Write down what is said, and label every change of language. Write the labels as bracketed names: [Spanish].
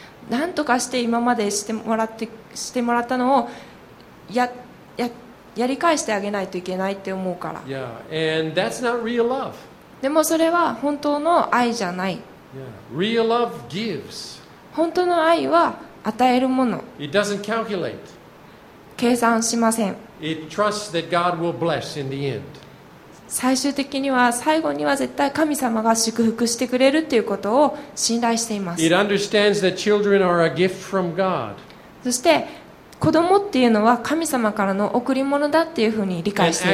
[Japanese] なんとかして今までしてもらったのをやり返してあげないといけないって思うから。 [English] Yeah. And that's not real love. [Japanese] でもそれは本当の愛じゃない。 [English] Yeah. Real love gives. [Japanese] 本当の愛は与えるもの。 [English] It doesn't calculate. [Japanese] 計算しません。 [English] It trusts that God will bless in the end. [Japanese] 最終的には最後には絶対神様が祝福してくれるっていうことを信頼しています。 [English] It understands that children are a gift from God. [Japanese] そして子供っていうのは神様からの贈り物だっていうふうに理解している。